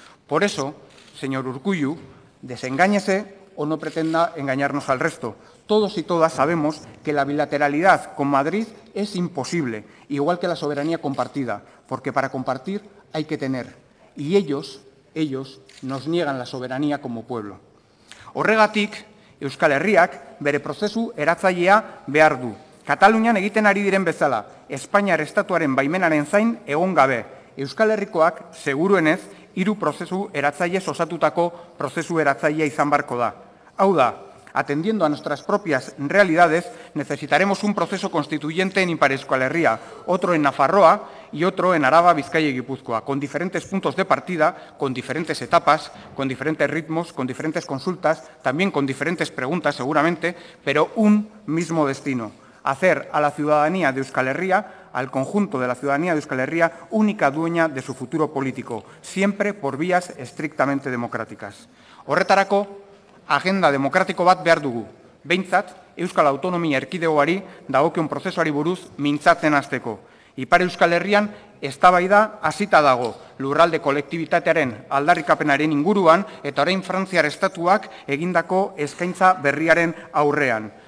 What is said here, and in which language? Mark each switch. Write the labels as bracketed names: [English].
[Spanish] Por eso, señor Urkullu, desengáñese o no pretenda engañarnos al resto. Todos y todas sabemos que la bilateralidad con Madrid es imposible, igual que la soberanía compartida, porque para compartir hay que tener. Y ellos nos niegan la soberanía como pueblo. [Basque] Horregatik, Euskal Herriak bere prozesu eratzailea behar du. Katalunian egiten ari diren bezala, Espainiar Estatuaren baimenaren zain egon gabe. Euskal Herrikoak, seguruenez, hiru prozesu eratzaile osatutako prozesu eratzailea izan barko da. Hau da, [Spanish] atendiendo a nuestras propias realidades, necesitaremos un proceso constituyente en Ipar Euskal Herria, otro en Nafarroa y otro en Araba, Bizkaia y Gipuzkoa, con diferentes puntos de partida, con diferentes etapas, con diferentes ritmos, con diferentes consultas, también con diferentes preguntas, seguramente, pero un mismo destino: hacer a la ciudadanía de Euskal Herria, al conjunto de la ciudadanía de Euskal Herria, única dueña de su futuro político, siempre por vías estrictamente democráticas. [Basque] Horretarako, agenda demokratiko bat behar dugu. Behintzat, Euskal Autonomia Erkidegoari dagokion prozesuari buruz mintzatzen hasteko. Ipar Euskal Herrian, eztabaida hasita dago, lurralde kolektibitatearen aldarrikapenaren inguruan eta orain Frantziar Estatuak egindako eskaintza berriaren aurrean.